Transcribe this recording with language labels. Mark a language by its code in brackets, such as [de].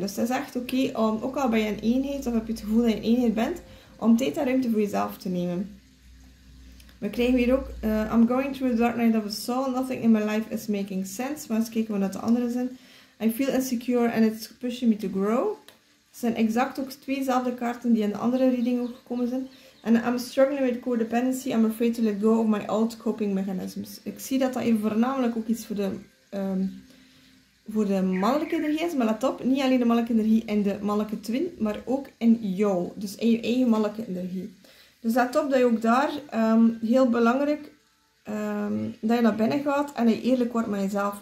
[nl] Dus dat is echt oké, ook al ben je een eenheid of heb je het gevoel dat je een eenheid bent, om tijd en ruimte voor jezelf te nemen. We krijgen hier ook, [en] I'm going through a dark night of the soul, nothing in my life is making sense. [nl] Maar eens kijken wat de andere zin. [en] I feel insecure and it's pushing me to grow. [nl] Het zijn exact ook tweezelfde kaarten die in de andere reading ook gekomen zijn. [en] And I'm struggling with codependency, I'm afraid to let go of my old coping mechanisms. [nl] Ik zie dat hier voornamelijk ook iets voor de mannelijke energie is. Maar let op, niet alleen de mannelijke energie in de mannelijke twin, maar ook in jou. Dus in je eigen mannelijke energie. Dus let op dat je ook daar heel belangrijk dat je naar binnen gaat en je eerlijk wordt met jezelf.